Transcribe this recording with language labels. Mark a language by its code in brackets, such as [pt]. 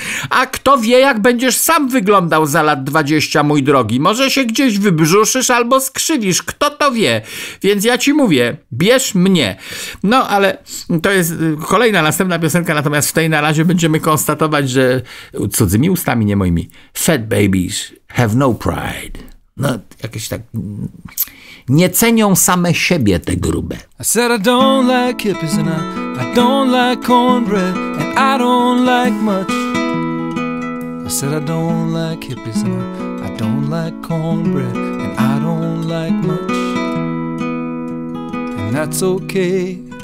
[pl] A kto wie, jak będziesz sam wyglądał za lat 20, mój drogi. Może się gdzieś wybrzuszysz albo skrzywisz, kto to wie. Więc ja ci mówię, bierz mnie. No ale to jest kolejna, następna piosenka, natomiast w tej na razie będziemy konstatować, że cudzymi ustami, nie moimi. [en] Fat babies have no pride. [pl] No jakieś tak... Nie cenią same siebie te grube. [en] I said I don't like kippies and I don't like cornbread and I don't like much. I said I don't like kippies and I don't like cornbread and I don't like much. And that's okay.